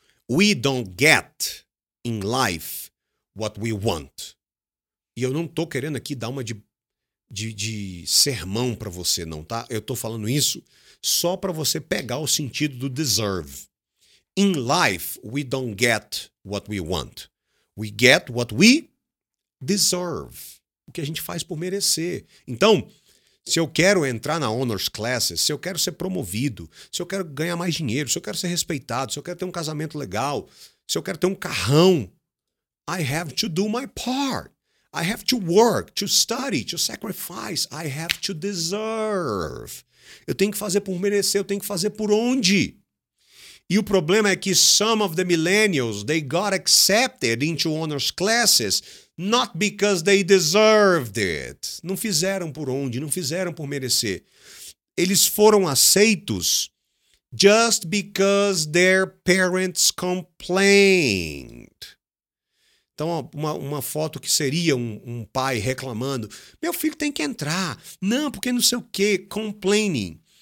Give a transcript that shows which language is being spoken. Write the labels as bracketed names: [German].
[English] We don't get in life what we want. [Portuguese] E eu não tô querendo aqui dar uma de sermão pra você, não, tá? Eu tô falando isso só pra você pegar o sentido do deserve. [English] In life, we don't get what we want. We get what we deserve. [Portuguese] O que a gente faz por merecer. Então, se eu quero entrar na honors classes, se eu quero ser promovido, se eu quero ganhar mais dinheiro, se eu quero ser respeitado, se eu quero ter um casamento legal, se eu quero ter um carrão, [English] I have to do my part. I have to work, to study, to sacrifice. I have to deserve. [Portuguese] Eu tenho que fazer por merecer, eu tenho que fazer por onde? E o problema é que [English] some of the millennials, they got accepted into honors classes not because they deserved it. [Portuguese] Não fizeram por onde, não fizeram por merecer. Eles foram aceitos [English] just because their parents complained. [Portuguese] Então, uma foto que seria um pai reclamando. Meu filho tem que entrar. Não, porque não sei o quê. Complaining.